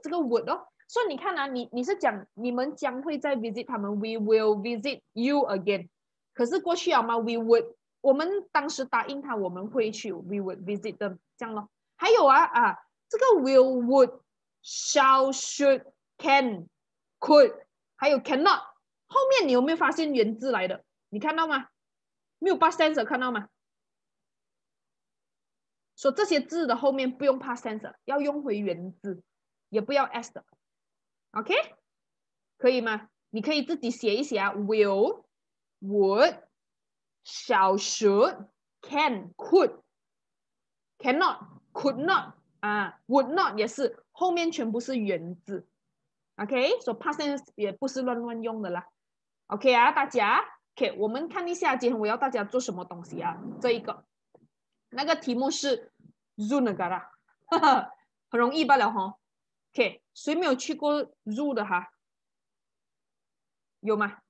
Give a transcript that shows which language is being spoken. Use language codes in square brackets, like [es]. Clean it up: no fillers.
[zh] 这个 would 哦，所、so, 以你看啊，你是讲你们将会再 visit 他们 ， [en] we will visit you again。 [zh] 可是过去了吗 ？ [en] We would， [zh] 我们当时答应他我们会去 ， [en] we would visit them， [zh] 这样咯。还有啊，这个 will would shall should can could 还有 cannot。后面你有没有发现原字来的？你看到吗？没有 past tense 看到吗？说这些字的后面不用 past tense， 要用回原字，也不要 s 的。 OK， 可以吗？你可以自己写一写啊。 Will, would, shall, should, can, could, cannot, could not 啊、，would not 也是后面全部是原字。 OK， 所以 past tense 也不是乱用的啦。 OK 啊，大家 ，OK， 我们看一下今天我要大家做什么东西啊？这一个，那个题目是 Zoo 哪个啦？很容易罢了哈。 OK， 谁没有去过 Zoo 的哈？有吗？